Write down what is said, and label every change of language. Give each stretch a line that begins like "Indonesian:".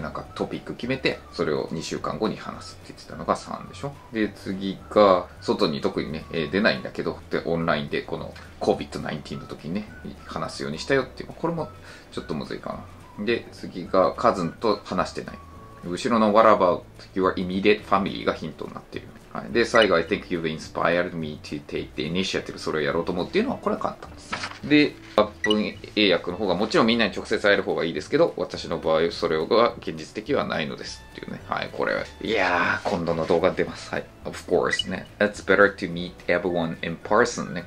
Japanese: なんかトピック決めて、それを2週間後に話すって言ってたのが3でしょ。で、次が、外に特にね、出ないんだけど、で、オンラインでこの COVID-19 の時にね、話すようにしたよっていう、これもちょっとむずいかな。で、次がカズンと話してない。後ろの
English: What about your immediate family
Japanese: がヒントになっている。
English: はい、で、最後、I think you've inspired me to take the initiative.
Japanese: それをやろうと思うっていうのは、これは簡単です。で、文英訳の方が、もちろんみんなに直接会える方がいいですけど、私の場合、それが現実的はないのですっていうね。はい、これは。いやー、今度の動画出ます。はい。
English: Of course ね。 It's better to meet everyone in person ね。